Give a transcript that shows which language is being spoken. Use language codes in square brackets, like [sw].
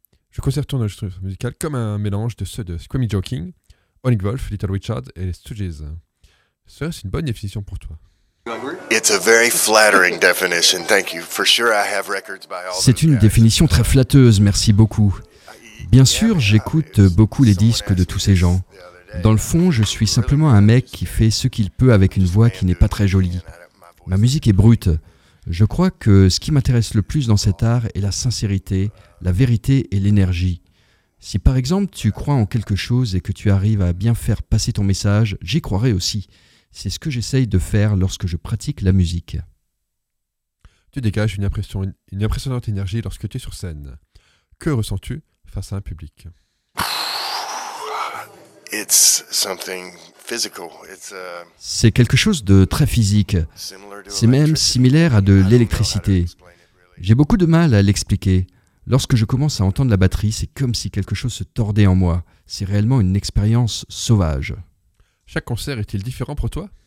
[fr] Je considère ton registre musical comme un mélange de ceux de Screamy Joe King, Oink Wolf, Little Richard et les Stooges. Serait-ce une bonne définition pour toi? [en] It's a very flattering definition. Thank you. For sure, I have records by all. [fr] C'est une définition très flatteuse. Merci beaucoup. Bien sûr, j'écoute beaucoup les disques de tous ces gens. Dans le fond, je suis simplement un mec qui fait ce qu'il peut avec une voix qui n'est pas très jolie. Ma musique est brute. Je crois que ce qui m'intéresse le plus dans cet art est la sincérité, la vérité et l'énergie. Si par exemple tu crois en quelque chose et que tu arrives à bien faire passer ton message, j'y croirai aussi. C'est ce que j'essaye de faire lorsque je pratique la musique. Tu dégages une impressionnante énergie lorsque tu es sur scène. Que ressens-tu face à un public? [en] It's something physical. It's a... [fr] C'est quelque chose de très physique. C'est même similaire à de l'électricité. J'ai beaucoup de mal à l'expliquer. Lorsque je commence à entendre la batterie, c'est comme si quelque chose se tordait en moi. C'est réellement une expérience sauvage. Chaque concert est-il différent pour toi?